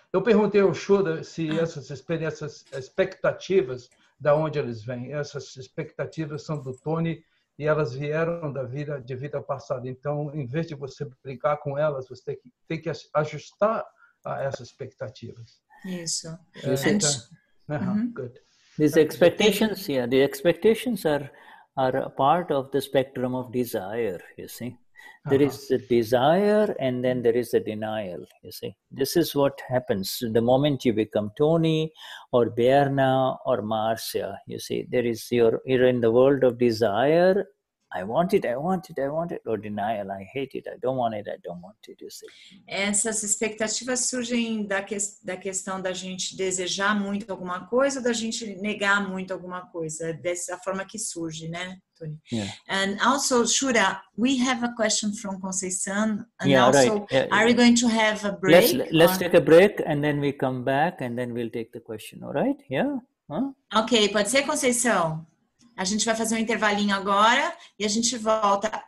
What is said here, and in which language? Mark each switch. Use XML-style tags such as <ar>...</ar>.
<pt>Eu perguntei ao Shuddha se essas experiências, expectativas, de onde eles vêm. Essas expectativas são do Tony e elas vieram da vida, de vida passada. Então, em vez de você brincar com elas, você tem que ajustar a essas expectativas. Isso. Então,</pt> <en>good. These expectations, the expectations are a part of the spectrum of desire, you see. There is the desire and then there is the denial, you see. This is what happens the moment you become Tony or Berna or Marcia, you see. There is you're in the world of desire. I want it, I want it, I want it. Or denial, I hate it, I don't want it, I don't want it, you see.</en> <pt>Essas expectativas surgem da questão da gente desejar muito alguma coisa ou da gente negar muito alguma coisa. Dessa forma que surge, né?</pt> <en>Yeah. And also, Shuddha, we have a question from Conceição. And are we going to have a break? Let's take a break and then we come back and then we'll take the question, all right? Yeah?</en> <pt>Ok, pode ser, Conceição? A gente vai fazer um intervalinho agora e a gente volta.</pt>